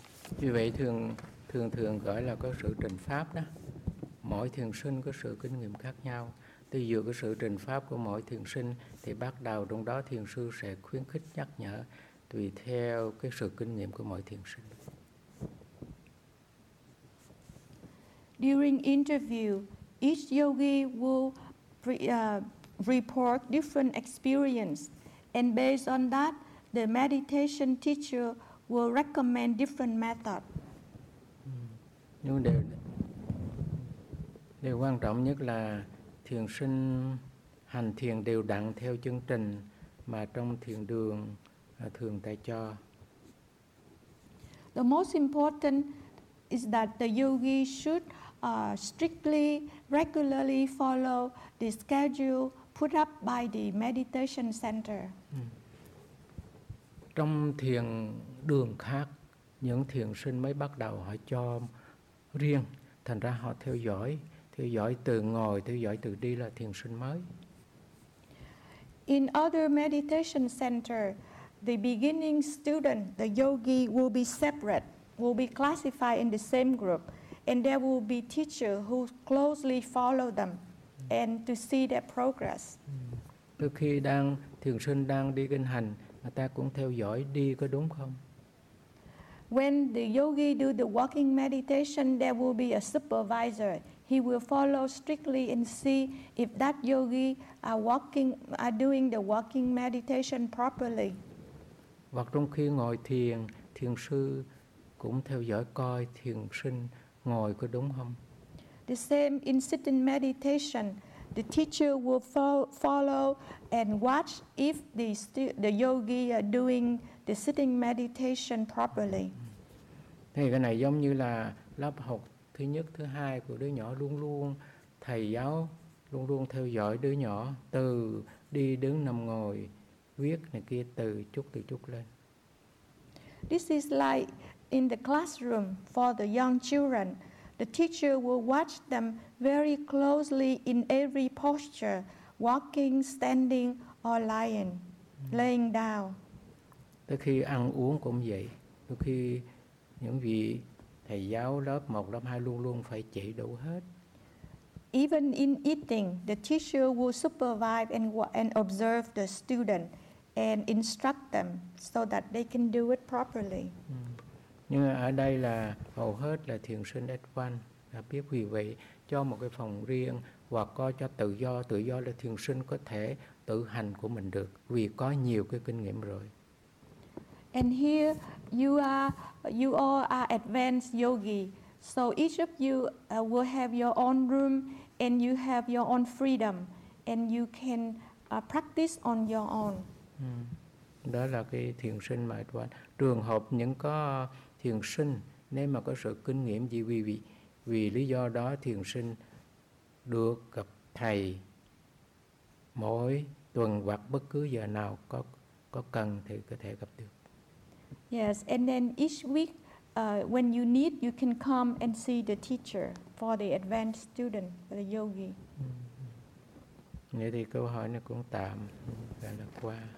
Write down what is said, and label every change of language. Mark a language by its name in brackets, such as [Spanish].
[Vietnamese] Vì vậy thường gọi là có sự trình pháp đó. Mỗi thiền sinh có sự kinh nghiệm khác nhau. Từ dựa cái sự trình pháp của mỗi thiền sinh thì bắt đầu trong đó thiền sư sẽ khuyến khích nhắc nhở tùy theo cái sự kinh nghiệm của mỗi thiền sinh. [English] During interview, each yogi will report different experience, and based on that, the meditation teacher will recommend different method. [Vietnamese] Nhưng điều quan trọng nhất là thiền sinh hành thiền đều đặn theo chương trình mà trong thiền đường thường tại cho. [English] The most important is that the yogi should strictly, regularly follow the schedule put up by the meditation center. [Vietnamese] Trong thiền đường khác, những thiền sinh mới bắt đầu họ cho riêng, thành ra họ theo dõi từ ngồi, theo dõi từ đi là thiền sinh mới. [English] In other meditation center, the beginning student, the yogi, will be separate, will be classified in the same group. And there will be teacher who closely follow them and to see their progress. [Vietnamese] Khi đang thiền sinh đang đi kinh hành ta cũng theo dõi đi có đúng không? [English] When the yogi do the walking meditation, there will be a supervisor. He will follow strictly and see if that yogi are doing the walking meditation properly. [Vietnamese] Hoặc trong khi ngồi thiền, thiền sư cũng theo dõi coi thiền sinh ngồi có đúng không? [English] The same in sitting meditation, the teacher will follow and watch if the yogi are doing the sitting meditation properly. [Vietnamese] Thì cái này giống như là lớp học thứ nhất, thứ hai của đứa nhỏ luôn luôn, thầy giáo luôn luôn theo dõi đứa nhỏ từ đi đứng nằm ngồi, viết này kia từ chút lên. [English] This is like in the classroom for the young children. The teacher will watch them very closely in every posture, walking, standing, or lying, laying down. [Vietnamese] Tới khi ăn uống cũng vậy. Tới khi những vị thầy giáo lớp 1, lớp 2 luôn luôn phải chỉ đủ hết. [English] Even in eating, the teacher will supervise and observe the student and instruct them so that they can do it properly. [Vietnamese] Nhưng ở đây là hầu hết là thiền sinh advanced đã biết, vì vậy cho một cái phòng riêng hoặc có cho tự do là thiền sinh có thể tự hành của mình được vì có nhiều cái kinh nghiệm rồi. [English] And here you all are advanced yogi, so each of you will have your own room and you have your own freedom and you can practice on your own. [Vietnamese] Đó là cái thiền sinh mà advanced. Trường hợp những có thiền sinh nếu mà có sự kinh nghiệm gì, vì lý do đó thiền sinh được gặp thầy mỗi tuần hoặc bất cứ giờ nào có cần thì có thể gặp được. [English] Yes, and then each week when you need you can come and see the teacher for the advanced student, for the yogi. [Vietnamese] Nghe thì câu hỏi này cũng tạm gọi là qua.